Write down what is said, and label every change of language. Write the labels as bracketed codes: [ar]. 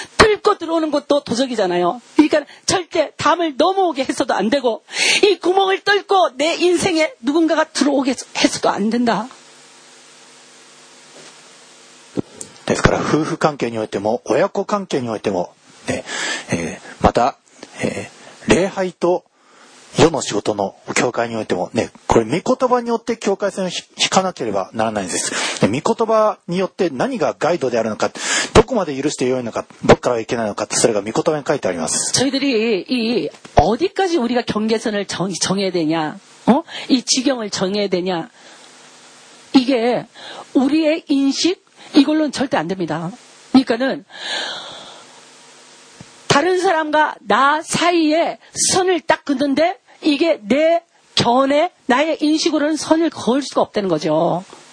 [ko] 묶어 들어오는 것도 도적이잖아요. 그러니까 절대 담을 넘어오게 해서도 안 되고 이 구멍을 뚫고 내 인생에 누군가가 들어오게 해서도 안 된다. [ja] ですから夫婦関係においても親子関係においてもね、また礼拝と世の仕事の教会においてもね、これ御言葉によって教会線を引かなければならないんです。御言葉によって何がガイドであるのか、どこまで許して良いのか、どこからはいけないのか、それが御言葉に書いてあります。 [ko] 저희들이 이 어디까지 우리가 경계선을 정해야 되냐? 이 지경을 정해야 되냐? 이게 우리의 인식 이걸로는 절대 안 됩니다. 그러니까는 다른 사람과 나 사이에 선을 딱 긋는데 이게 내 견해, 나의 인식으로는 선을 그을 수가 없다는 거죠.